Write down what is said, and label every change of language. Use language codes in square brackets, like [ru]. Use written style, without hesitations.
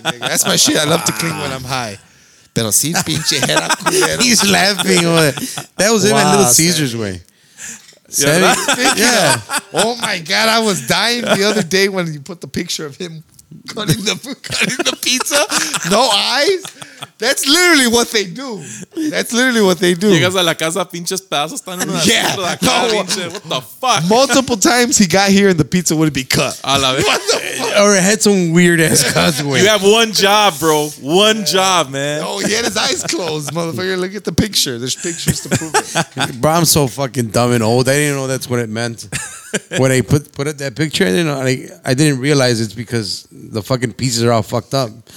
[en] Nigga. That's my shit. I love to clean when I'm high. [es] Pero sí, pinche era culero. [en] He's laughing. That was in a little Caesar's way. Yeah. Oh my god, I was dying the other day when you put the picture of him cutting the pizza. No eyes. That's literally what they do. [es] Llegas a la casa, pinches pedazos están en la cara. [en] What the fuck? Multiple times he got here and the pizza would be cut. I love it. What the fuck? Or it had some weird ass cuts. You have one job, bro. One job, man. Oh, he had his eyes closed, motherfucker. Look at the picture. There's pictures to prove it. Bro, I'm so fucking dumb and old. I didn't know that's what it meant. When I put up that picture, I didn't realize it's because the fucking pieces are all fucked up.